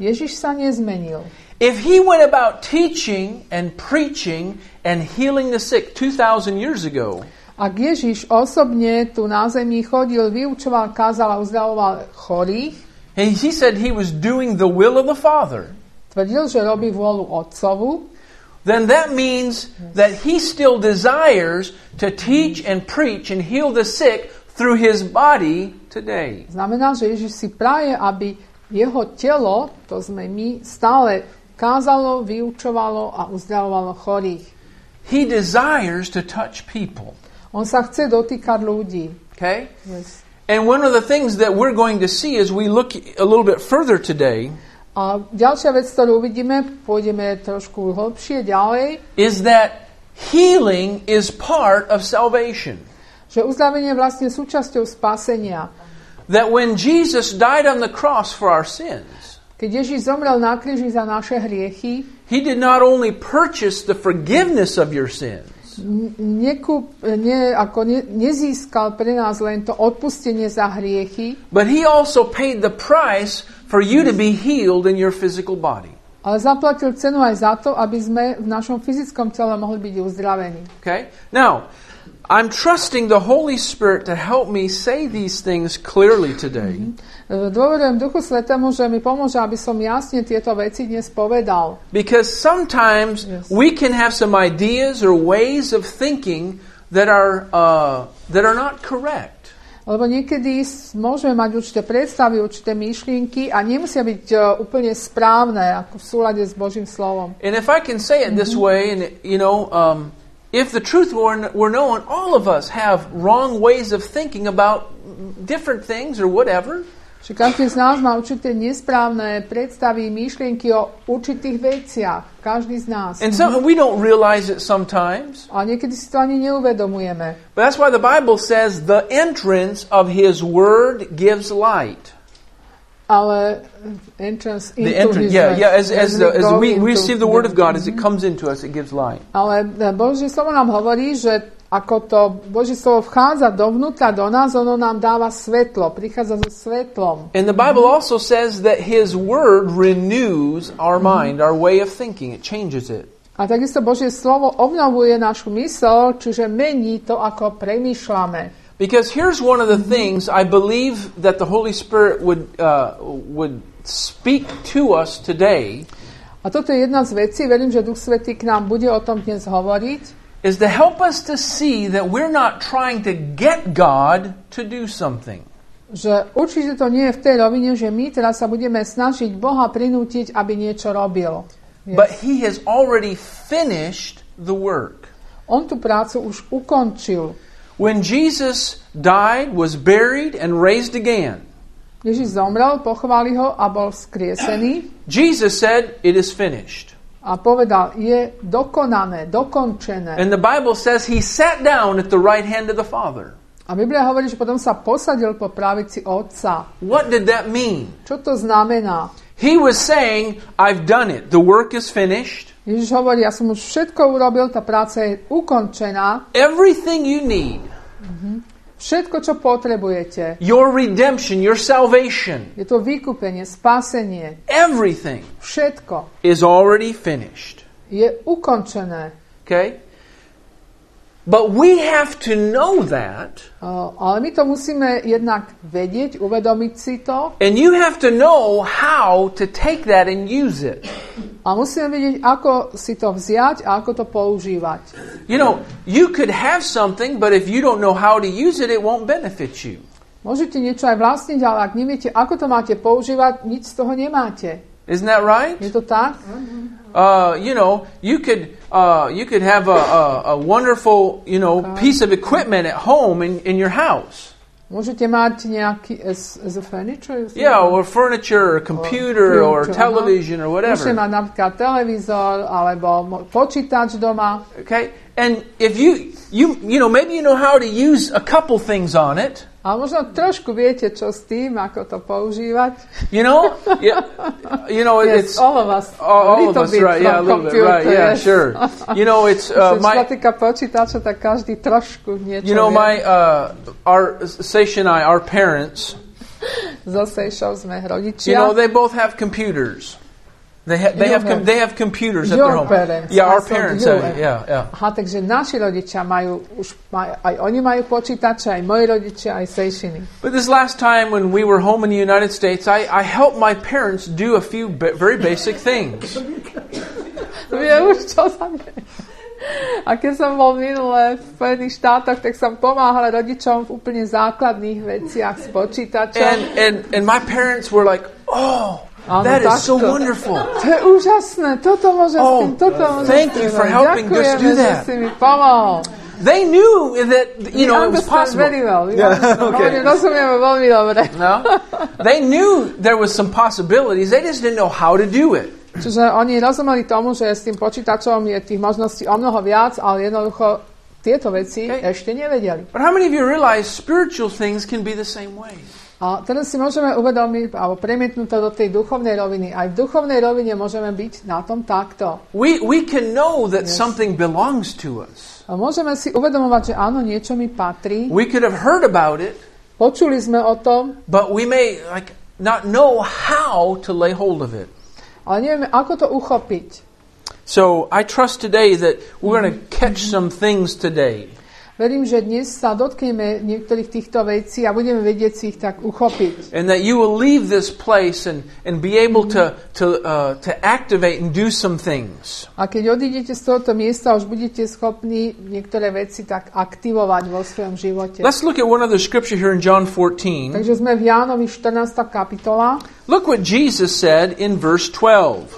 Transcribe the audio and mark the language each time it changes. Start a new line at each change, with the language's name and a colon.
Slovak: Ježiš sa nezmenil.
English: If he went about teaching and preaching and healing the sick 2000 years ago.
Slovak: Ak Ježiš osobne tu na zemi chodil, vyučoval, kázal a uzdravoval chorých.
English: He said he was doing the will of the Father.
Slovak: Tvrdil, že robí vôľu Otcovu.
English: Then that means that he still desires to teach and preach and heal the sick through his body today.
Slovak: Znamená, že Ježiš si praje, aby jeho telo, to sme my, stále kázalo, vyučovalo a uzdravovalo chorých.
English: He desires to touch people.
Slovak: On sa chce dotýkať ľudí.
English: Okay? Yes. And one of the things that we're going to see as we look a little bit further today,
Slovak: a ďalšia vec, ktorú uvidíme, pôjdeme trošku hlbšie ďalej,
English: is that healing is part of salvation.
Slovak: Že uzdravenie je vlastne súčasťou spasenia.
English: That when Jesus died on the cross for our sins,
Slovak: keď Ježiš zomrel na kríži za naše hriechy,
English: he did not only purchase the forgiveness of your sins,
Slovak: nezískal pre nás len to odpustenie za hriechy,
English: but he also paid the price for you to be healed in your physical body.
Slovak: Ale zaplatil cenu aj za to, aby sme v našom fyzickom tele mohli byť uzdravení.
English: Okay? Now, I'm trusting the Holy Spirit to help me say these things clearly today.
Slovak: Dôverujem Duchu Svätému, že mi pomôže, aby som jasne tieto veci dnes povedal.
English: Because sometimes we can have some ideas or ways of thinking that are not correct.
Slovak: Lebo niekedy môžeme mať určité predstavy, určité myšlienky a nemusia byť úplne správne ako v súlade s Božím slovom.
English: And if I can say it this way, and you know, if the truth were known, all of us have wrong ways of thinking about different things or whatever.
Slovak: Čiže každý z nás má určité nesprávne predstavy, myšlienky o určitých veciach. Každý z nás.
English: And so we don't realize it sometimes.
Slovak: A niekedy si to ani neuvedomujeme.
English: But that's why the Bible says the entrance of his word gives light. Ale entrance into the entrance, yeah, his word. Yeah, as we receive the word of God, as it comes into us, it gives light.
Slovak: Ale Božie slovo nám hovorí, že ako to Božie slovo vchádza dovnútra do nás, ono nám dáva svetlo, prichádza so svetlom.
English: And the Bible also says that his word renews our mind, our way of thinking, it changes it.
Slovak: A takisto Božie slovo obnovuje našu mysel, čiže mení to, ako premýšľame.
English: Because here's one of the things I believe that the Holy Spirit would speak to us today.
Slovak: A toto je jedna z vecí, verím, že Duch Svätý k nám bude o tom dnes hovoriť.
English: Is to help us to see that we're not trying to get God to do something.
Slovak: Že určite to nie je v tej rovine, že my teraz sa budeme snažiť Boha prinútiť, aby niečo robil.
English: Yes. But he has already finished the work.
Slovak: On tú prácu už ukončil.
English: When Jesus died, was buried and raised again.
Slovak: Ježiš zomrel, pochovali ho a bol vzkriesený.
English: Jesus said, it is finished.
Slovak: A povedal, je dokonané, dokončené.
English: And the Bible says he sat down at the right hand of the Father.
Slovak: A Biblia hovorí, že potom sa posadil po pravici Otca.
English: What did that mean?
Slovak: Čo to znamená?
English: He was saying, I've done it. The work is finished.
Slovak: Ježiš hovorí, ja som už všetko urobil, tá práca je ukončená.
English: Everything you need.
Slovak: Všetko, čo potrebujete.
English: Your redemption, your salvation.
Slovak: Je to vykúpenie, spasenie.
English: Everything.
Slovak: Všetko.
English: Is already finished.
Slovak: Je ukončené.
English: Okay? But we have to know that.
Slovak: Ale my to musíme jednak vedieť, uvedomiť si to.
English: And you have to know how to take that and use it.
Slovak: A musíme vedieť, ako si to vziať a ako to používať.
English: You know, you could have something, but if you don't know how to use it, it won't benefit you.
Slovak: Môžete niečo aj vlastniť, ale ak neviete, ako to máte používať, nič z toho nemáte.
English: Isn't that right?
Slovak: Je to tak?
English: You know, you could have a wonderful, you know, piece of equipment at home in your house.
Slovak: Môžete mať nejaký z furniture?
English: Yeah, or furniture, or computer, or television, or whatever.
Slovak: Môžete mať napríklad televízor, alebo počítač doma.
English: Okay, and if you know, maybe you know how to use a couple things on it.
Slovak: A možno trošku viete, čo s tým, ako to používať.
English: You know? Yeah, you know, yes, all of us. All of us, right, yeah, a little computer, bit, right, yeah, yes. Sure. You know, it's...
Slovak: Čo sa týka počítača, tak každý trošku niečo.
English: You know, my... our Seish and I, our parents...
Slovak: Za Seishov sme rodičia.
English: You know, they both have computers. They have computers your at their parents, home. Yeah, our parents.
Slovak: Ha, takže naši rodičia majú už aj oni majú počítače, aj moji rodičia, aj Seishiny.
English: But this last time when we were home in the United States, I helped my parents do a few very basic things.
Slovak: Vie už čo sa mne. A keď som bol minule v Spojených štátoch, tak som pomáhala rodičom v úplne základných veciach s počítačom.
English: And my parents were like, oh,
Slovak: áno,
English: that
Slovak: takto.
English: Is so wonderful.
Slovak: To je úžasné. Toto môže s tým. Toto môže
English: thank you for helping us do that.
Slovak: Ďakujeme, že si mi pomohol.
English: They knew that, you know, it was possible. Very well.
Slovak: Rozumieme veľmi dobre. No?
English: They knew there was some possibilities. They just didn't know how to do it.
Slovak: Čiže oni rozumeli tomu, že s tým počítačom je tých možností o mnoho viac, ale jednoducho tieto veci ešte nevedeli.
English: But how many of you realize spiritual things can be the same way?
Slovak: A teraz si môžeme uvedomiť alebo premietnúť to do tej duchovnej roviny. Aj v duchovnej rovine môžeme byť na tom takto.
English: We can know that something belongs to us.
Slovak: A môžeme si uvedomovať, že áno, niečo mi patrí.
English: We could have heard about it.
Slovak: Počuli sme o tom.
English: But we may like not know how to lay hold of it.
Slovak: Ale nevieme, ako to uchopiť.
English: So I trust today that we're going to catch some things today.
Slovak: Verím, že dnes sa dotkneme niektorých týchto vecí a budeme vedieť si ich tak uchopiť.
English: And that you will leave this place and be able to activate and do some things.
Slovak: A keď odídete z tohto miesta, už budete schopní niektoré veci tak aktivovať vo svojom živote.
English: Let's look at one other scripture here in John 14.
Slovak: Takže sme v Jánovi 14. kapitola.
English: Look what Jesus said in verse 12.